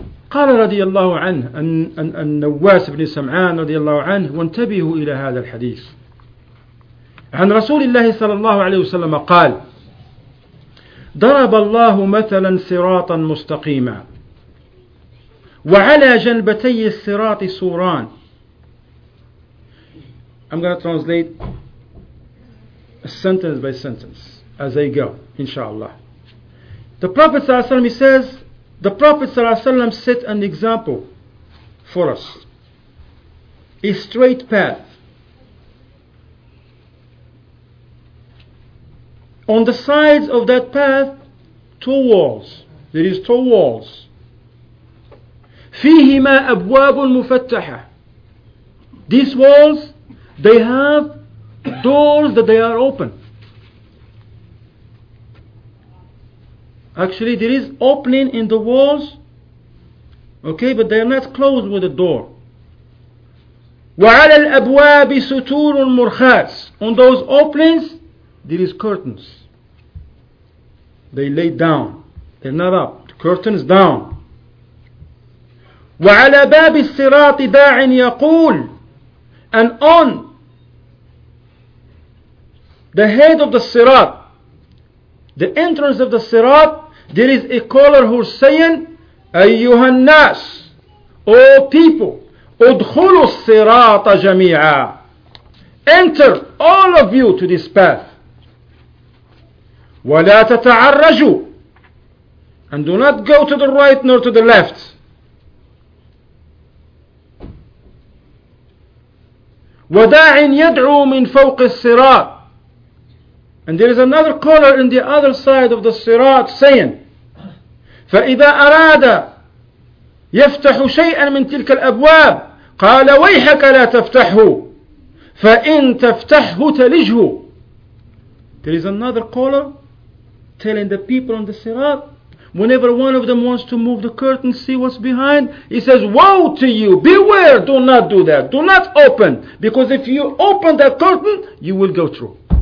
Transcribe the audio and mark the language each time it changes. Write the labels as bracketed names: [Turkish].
[Arabic] قال رضي الله عنه أن النواس بن سمعان رضي الله عنه وانتبهوا إلى هذا الحديث عن رسول الله صلى الله عليه وسلم قال ضرب الله مثلا صراطا مستقيما وعلى جنبتي الصراط سوران. [English] I'm going to translate sentence by sentence as I go, inshallah. The Prophet ﷺ, he says, the Prophet ﷺ set an example for us, a straight path. On the sides of that path, two walls. There is two walls. [Arabic] فيهما أبواب مفتحة. [English] These walls, they have doors that they are open. Actually, there is opening in the walls, okay, but they are not closed with a door. [Arabic] وعلى الأبواب ستور مرخات. [English] On those openings, there is curtains. They lay down. They're not up. The curtains down. [Arabic] وعلى باب الصراط داع يقول. [English] And on the head of the Sirat, the entrance of the Sirat, there is a caller who's saying, [Arabic] أَيُّهَا النَّاسِ, [English] O people, [Arabic] أُدْخُلُوا الصِّرَاطَ جَمِيعًا, [English] enter all of you to this path. [Arabic] وَلَا تَتَعَرَّجُوا, [English] and do not go to the right nor to the left. [Arabic] وَدَاعٍ يَدْعُو مِنْ فَوْقِ الصِّرَاطِ, [English] and there is another caller in the other side of the Sirat saying, [Arabic] فَإِذَا أَرَادَ يَفْتَحُ شَيْئًا مِنْ تِلْكَ الْأَبْوَابِ قَالَ وَيْحَكَ لَا تَفْتَحُ فَإِنْ تَفْتَحُ تَلِجْهُ. [English] There is another caller telling the people on the Sirat, whenever one of them wants to move the curtain, see what's behind, he says, woe to you, beware, do not do that, do not open, because if you open that curtain, you will go through.